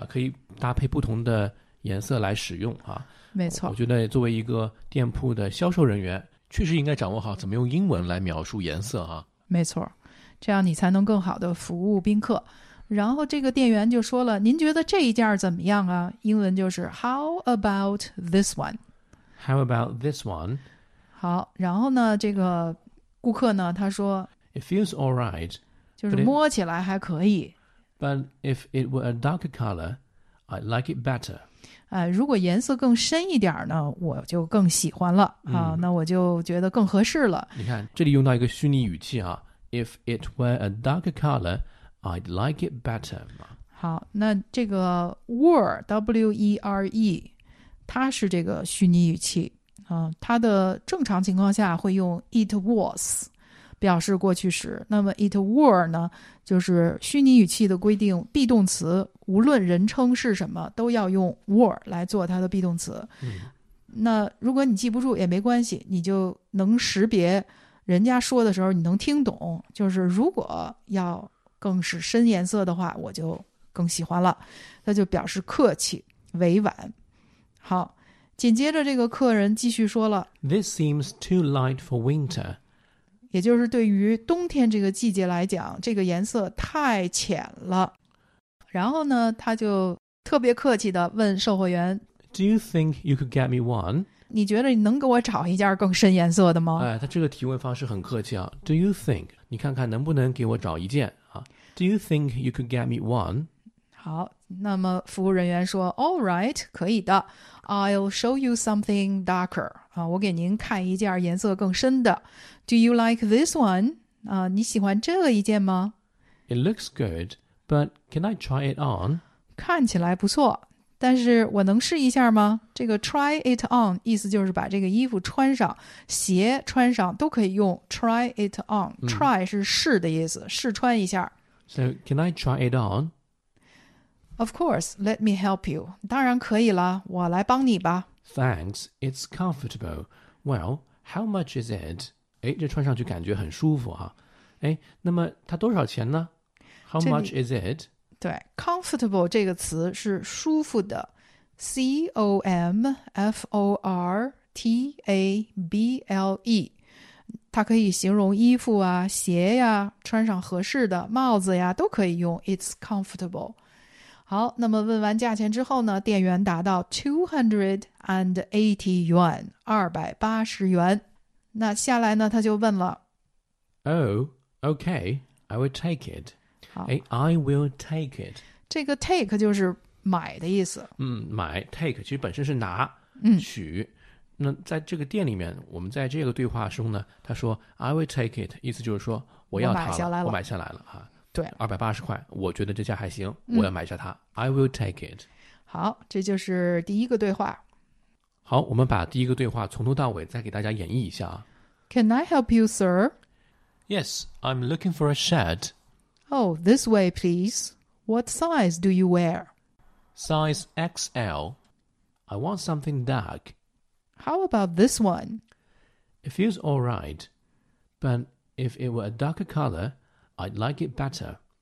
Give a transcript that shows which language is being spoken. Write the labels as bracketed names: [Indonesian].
[Chinese] 可以搭配不同的颜色来使用啊，没错。我觉得作为一个店铺的销售人员，确实应该掌握好怎么用英文来描述颜色啊。没错，这样你才能更好的服务宾客。然后这个店员就说了：“您觉得这一件怎么样啊？” 英文就是 [English] “How about this one？” How about this one？ [Chinese] 好，然后呢，这个顾客呢，他说 [English] ：“It feels all right， [Chinese] 就是摸起来还可以。 [English] But if it were a darker color, I'd like it better。” [Chinese] 如果颜色更深一点呢，我就更喜欢了、那我就觉得更合适了。你看，这里用到一个虚拟语气啊 [English] ，If it were a darker color, I'd like it better。 [Chinese] 好，那这个 were W E R E， 它是这个虚拟语气啊、它的正常情况下会用 it was 表示过去时。那么 it were 呢，就是虚拟语气的规定 ，be 动词。无论人称是什么都要用 were 来做它的 be 动词、那如果你记不住也没关系，你就能识别人家说的时候你能听懂，就是如果要更是深颜色的话我就更喜欢了，那就表示客气委婉。好，紧接着这个客人继续说了 [English] This seems too light for winter [Chinese] 也就是对于冬天这个季节来讲这个颜色太浅了然后呢他就特别客气地问售货员 [English] Do you think you could get me one? [Chinese] 你觉得你能给我找一件更深颜色的吗、哎、他这个提问方式很客气啊 [English] Do you think? [Chinese] 你看看能不能给我找一件、啊、 [English] Do you think you could get me one? [Chinese] 好，那么服务人员说 ， [English] All right， [Chinese] 可以的。 [English] I'll show you something darker。 [Chinese] 啊，我给您看一件颜色更深的。 [English] Do you like this one？ [Chinese] 啊，你喜欢这一件吗 [English] ？It looks good， but can I try it on？ [Chinese] 看起来不错，但是我能试一下吗？这个 try it on 意思就是把这个衣服穿上，鞋穿上都可以用 try it on、嗯。 Try 是试的意思，试穿一下。 [English] So can I try it on？ Of course, let me help you. [Chinese] 当然可以了，我来帮你吧。 [English] Thanks, it's comfortable. Well, how much is it? [Chinese] 哎，这穿上去感觉很舒服啊。哎，那么它多少钱呢 ？ [English] How much is it? [Chinese] 对 ，comfortable 这个词是舒服的 ，C O M F O R T A B L E。它可以形容衣服啊、鞋呀、穿上合适的帽子呀，都可以用 [English] It's comfortable. [Chinese] 好，那么问完价钱之后呢？店员答到 280 yuan， 280元。那下来呢，他就问了 [English] ，Oh, okay, I will take it. [Chinese] 好 [English] ，I will take it. [Chinese] 这个 take 就是买的意思。嗯，买 take 其实本身是拿，嗯，取。那在这个店里面，我们在这个对话中呢，他说 [English] I will take it， [Chinese] 意思就是说我要它了，我买下来了，我买下来了啊。对 280块我觉得这家还行我要买下它、嗯、 [English] I will take it [Chinese] 好这就是第一个对话好我们把第一个对话从头到尾再给大家演绎一下 [English] Can I help you sir? Yes, I'm looking for a shirt Oh, this way please What size do you wear? Size XL I want something dark How about this one? It feels alright But if it were a darker colorI'd like it better.